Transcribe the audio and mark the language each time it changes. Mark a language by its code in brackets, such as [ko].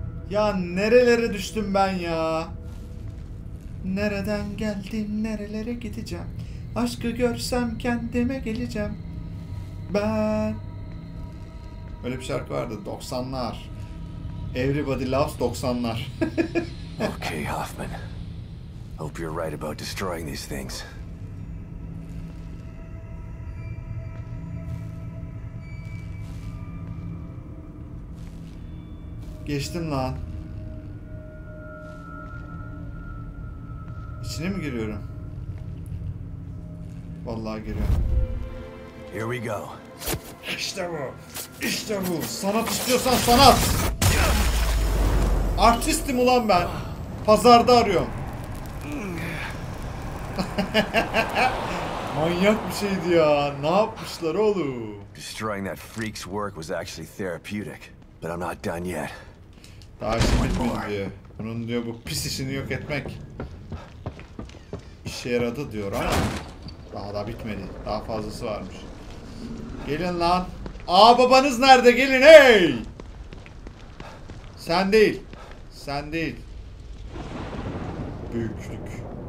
[tr] Ya nerelere düştüm ben ya? Nereden geldim, nerelere gideceğim? Aşkı görsem kendime geleceğim. Ben. Öyle bir şarkı vardı, 90'lar. [en] Everybody loves 90'lar. Okay, Hoffman. Hope you're right about destroying these things. [tr] Geçtim lan. İçine mi giriyorum? Vallahi giriyorum. [en] Here we go. [tr] İşte bu. İşte bu. Sanat istiyorsan sanat. Artistim ulan ben. Pazarda arıyorum. Manyak bir şeydi ya. Ne yapmışlar oğlum? [en] Destroying that freak's work was actually therapeutic, but I'm not done yet. [tr] Daha işim bitmiyor diye. Bunun diyor bu pis işini yok etmek. İşe yaradı diyor ama daha da bitmedi. Daha fazlası varmış. Gelin lan. Aa, babanız nerede? Gelin hey! Sen değil. Sen değil. Büyüklük.